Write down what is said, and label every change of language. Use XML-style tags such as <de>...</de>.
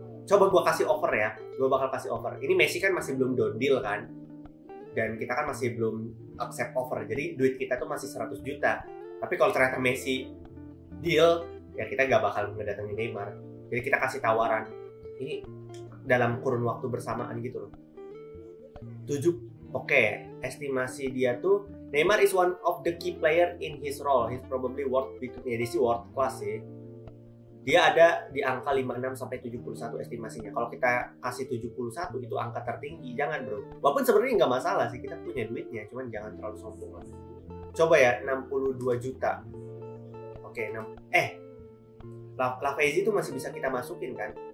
<id>Coba gue kasih offer ya, gue bakal kasih offer. Ini Messi kan masih belum done deal kan, dan kita kan masih belum accept offer. Jadi duit kita tuh masih 100 juta. Tapi kalau ternyata Messi deal, ya kita gak bakal ngedatengin Neymar. Jadi kita kasih tawaran. Ini dalam kurun waktu bersamaan gitu loh. 7, oke. Estimasi dia tuh,</id> <en>Neymar is one of the key player in his role. He's probably worth between, ya this is worth class sih.</en> <id>Dia ada di angka 56-71 estimasinya. Kalau kita kasih 71 itu angka tertinggi, jangan bro. Walaupun sebenarnya nggak masalah sih, kita punya duitnya, cuman jangan terlalu sombong. Coba ya, 62 juta. Oke, Lavezzi itu masih bisa kita masukin kan?</id>